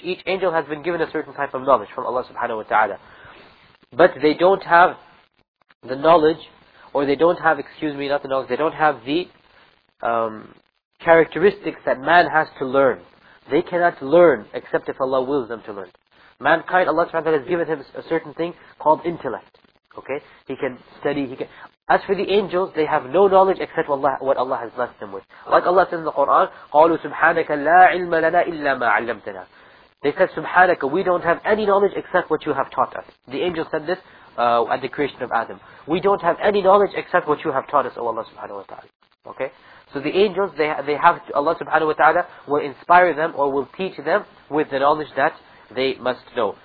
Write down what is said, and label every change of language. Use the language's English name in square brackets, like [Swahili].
[English] Each angel has been given a certain type of knowledge from Allah subhanahu wa ta'ala. But they don't have the knowledge, or they don't have, excuse me, not the knowledge, they don't have the characteristics that man has to learn. They cannot learn except if Allah wills them to learn. Mankind, Allah subhanahu wa ta'ala has given him a certain thing called intellect. Okay? He can study, he can... As for the angels, they have no knowledge except what Allah has blessed them with. Like Allah says in the Quran, [Arabic] قَالُوا سُبْحَانَكَ لَا عِلْمَ لَنَا إِلَّا مَا عَلَّمْتَنَا. [English] They said, سُبْحَانَكَ, we don't have any knowledge except what you have taught us. The angel said this at the creation of Adam. We don't have any knowledge except what you have taught us, O Allah subhanahu wa ta'ala. Okay? So the angels, they have to, Allah subhanahu wa ta'ala will inspire them or will teach them with the knowledge that they must know.